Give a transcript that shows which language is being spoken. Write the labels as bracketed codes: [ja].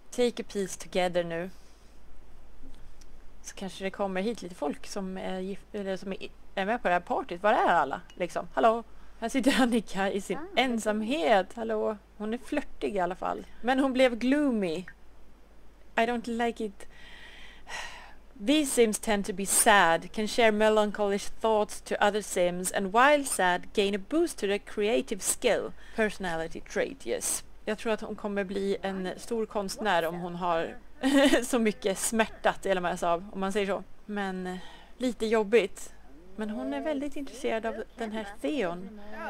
[en] Take a piece together nu. Så kanske det kommer hit lite folk som är eller som är med på det här partiet. [sv] Var är alla? Liksom, hallå? Här sitter Annika i sin ensamhet. Hallå? Hon är flörtig i alla fall. Men hon blev gloomy. [en] I don't like it. These sims tend to be sad, can share melancholic thoughts to other sims, and while sad, gain a boost to their creative skill. Personality trait, yes. [sv] Jag tror att hon kommer bli en stor konstnär om hon har så mycket smärta att dela med sig av, om man säger så. Men lite jobbigt. Men hon är väldigt intresserad av den här Theon.